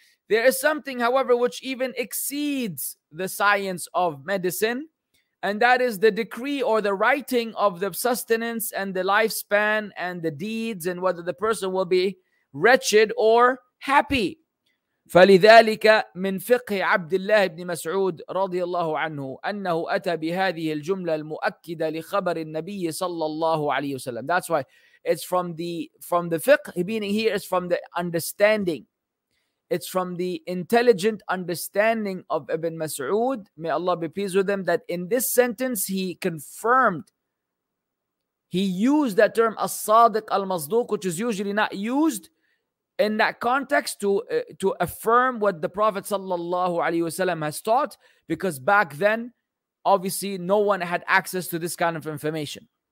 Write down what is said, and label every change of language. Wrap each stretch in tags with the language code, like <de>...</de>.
<en>There is something, however, which even exceeds the science of medicine, and that is the decree or the writing of the sustenance and the lifespan and the deeds and whether the person will be wretched or happy.</en> <ar>فلذلك من فقه عبد الله بن مسعود رضي الله عنه أنه أتى بهذه الجملة المؤكدة لخبر النبي صلى الله عليه وسلم.</ar> <en>That's why it's from the fiqh, meaning here is from the understanding. It's from the intelligent understanding of Ibn Mas'ud, may Allah be pleased with him, that in this sentence he confirmed, he used that term as-sadiq al-masduq, which is usually not used in that context to affirm what the Prophet sallallahu alaihi wasallam has taught, because back then, obviously, no one had access to this kind of information.</en>